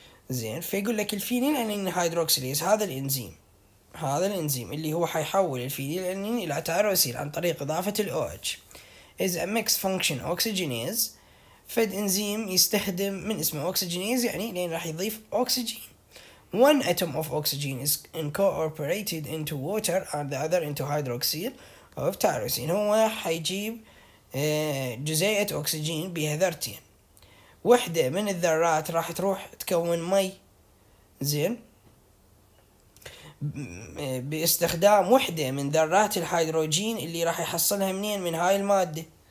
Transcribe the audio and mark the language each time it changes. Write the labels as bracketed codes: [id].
[ar] زين فيقول لك الفينيل انين هيدروكسيليز هذا الانزيم، هذا الانزيم اللي هو حيحول الفينيل انين الى تايروسين عن طريق اضافة الاو اتش، [en] is a mixed function oxygenase. [ar] فد انزيم يستخدم من اسمه oxygenase، يعني لين راح يضيف اكسجين. [en] One atom of oxygen is incorporated into water and the other into hydroxyl of tyrosine. [ar] هو حيجيب جزيئة اكسجين بها ذرتين، وحدة من الذرات راح تروح تكون مي. زين باستخدام وحدة من ذرات الهيدروجين اللي راح يحصلها منين؟ من هاي المادة.